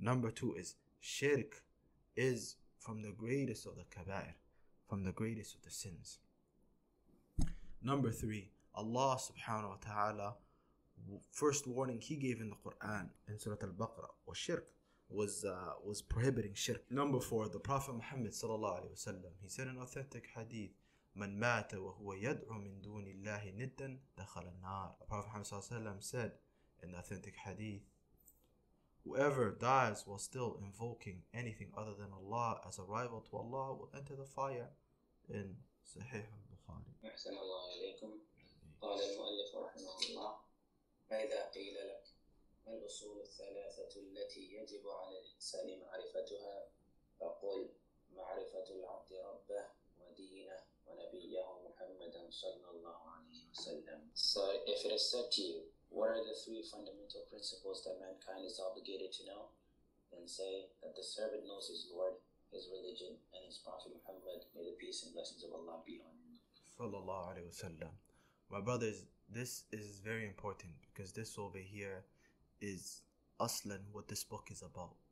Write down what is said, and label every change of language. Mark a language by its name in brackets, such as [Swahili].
[English] Number two is, shirk is from the greatest of the kabair, from the greatest of the sins. Number three, Allah subhanahu wa ta'ala, first warning He gave in the Quran, in Surah Al-Baqarah, was shirk, was prohibiting shirk. Number four, the Prophet Muhammad sallallahu alayhi wa sallam, he said in authentic hadith, [Arabic] من مات وهو يدعو من دون الله ندا دخل النار. [English] Prophet Muhammad [Arabic] صلى الله عليه وسلم [English] said in the authentic hadith, whoever dies while still invoking anything other than Allah as a rival to Allah will enter the fire. In Sahih al-Bukhari. [Arabic] أحسن الله إليكم. قال المؤلف رحمه الله: فإذا قيل لك ما الأصول الثلاثة التي يجب على الإنسان معرفتها، فقل معرفة العبد ربه ودينه ونبيه محمدا صلى الله عليه وسلم. [English] So if it is said to you, what are the three fundamental principles that mankind is obligated to know? Then say that the servant knows his Lord, his religion, and his Prophet Muhammad, may the peace and blessings of Allah be on him. [Arabic] Sallallahu alayhi wa sallam. [English] My brothers, this is very important because this over here is aslan what this book is about.